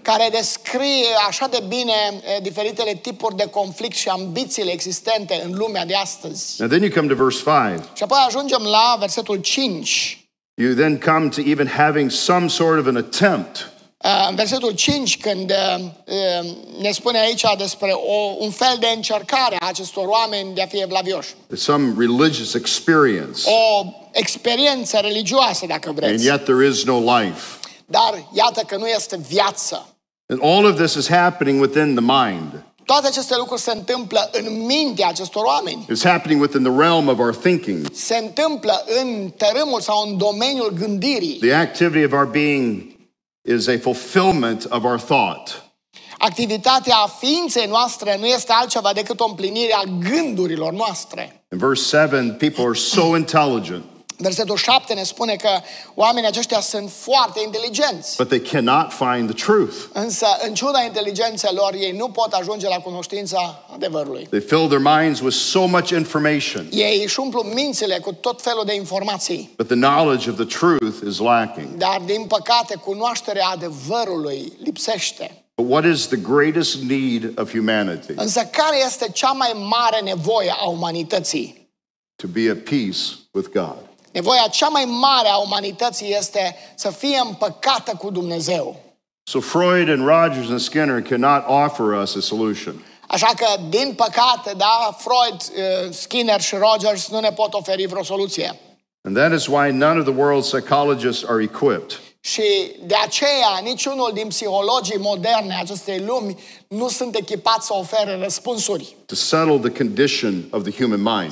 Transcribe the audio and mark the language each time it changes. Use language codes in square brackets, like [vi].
[ro] Care descrie așa de bine diferitele tipuri de conflict și ambițiile existente în lumea de astăzi. [en] And then you come to verse 5. [ro] Și apoi ajungem la versetul 5. [en] You then come to even having some sort of an attempt. [ro] În versetul 5, când ne spune aici despre un fel de încercare a acestor oameni de a fi evlavioși. [en] Some religious experience. [ro] O experiență religioasă, dacă vreți. [en] And yet there is no life. [ro] Dar iată că nu este viață. [en] And all of this is happening within the mind. [ro] Toate aceste lucruri se întâmplă în mintea acestor oameni. [en] It's happening within the realm of our thinking. [ro] Se întâmplă în tărâmul sau în domeniul gândirii. [en] The activity of our being is a fulfillment of our thought. [ro] Activitatea ființei noastre nu este altceva decât o împlinire a gândurilor noastre. [en] In verse 7, people are so intelligent. [ro] Versetul 7 ne spune că oamenii aceștia sunt foarte inteligenți. [en] But they cannot find the truth. [ro] Însă, în ciuda inteligenței lor, ei nu pot ajunge la cunoștința adevărului. [en] They fill their minds with so much information. [ro] Ei își umplu mințile cu tot felul de informații. [en] But the knowledge of the truth is lacking. [ro] Dar, din păcate, cunoașterea adevărului lipsește. [en] But what is the greatest need of humanity? [ro] Însă, care este cea mai mare nevoie a umanității? [en] To be at peace with God. [ro] Nevoia cea mai mare a umanității este să fie împăcată cu Dumnezeu. [en] So Freud and Rogers and Skinner cannot offer us a solution. [ro] Așa că, din păcate, da, Freud, Skinner și Rogers nu ne pot oferi vreo soluție. [en] And that is why none of the world's psychologists are equipped. [ro] Și de aceea niciunul din psihologii moderne acestei lumi nu sunt echipați să ofere răspunsuri. [en] To settle the condition of the human mind.